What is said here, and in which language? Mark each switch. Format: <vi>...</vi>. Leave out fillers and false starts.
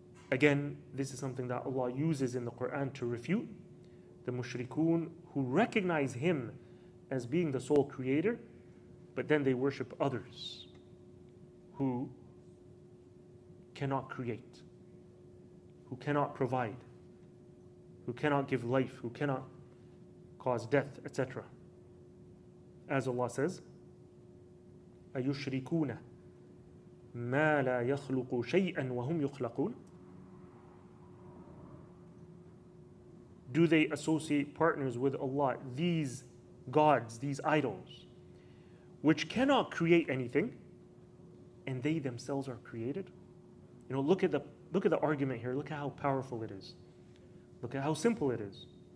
<en>Again, this is something that Allah uses in the Quran to refute the mushrikun who recognize him as being the sole creator, but then they worship others who cannot create, who cannot provide, who cannot give life, who cannot cause death, etc. As Allah says,</en> <ar>أَيُشْرِكُونَ مَا لَا يَخْلُقُ شَيْئًا وَهُمْ يُخْلَقُونَ.</ar> <en>Do they associate partners with Allah, these gods, these idols, which cannot create anything, and they themselves are created? You know, look at the argument here. Look at how powerful it is. Look at how simple it is.</en>